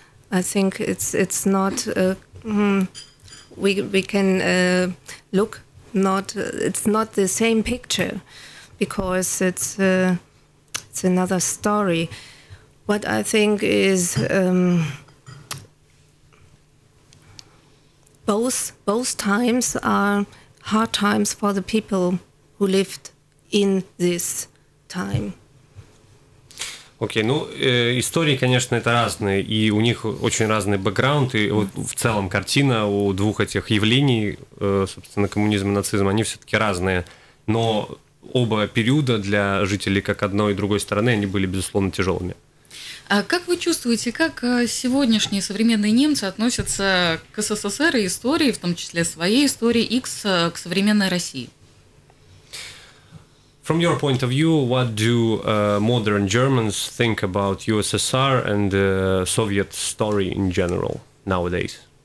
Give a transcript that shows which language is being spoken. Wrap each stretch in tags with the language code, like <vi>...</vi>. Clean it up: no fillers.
<en>I think it's not we can look not it's not the same picture, because it's another story. What I think is both times are hard times for the people who lived in this time.</en> <ru>Окей, ну, истории, конечно, это разные, и у них очень разный бэкграунд, и вот в целом картина у двух этих явлений, собственно, коммунизм и нацизм, они все-таки разные, но оба периода для жителей как одной и другой стороны, они были, безусловно, тяжелыми. А как вы чувствуете, как сегодняшние современные немцы относятся к СССР и истории, в том числе своей истории, и к современной России?</ru> <en>From your point of view, what do modern Germans think about USSR and the Soviet story in general nowadays?</en>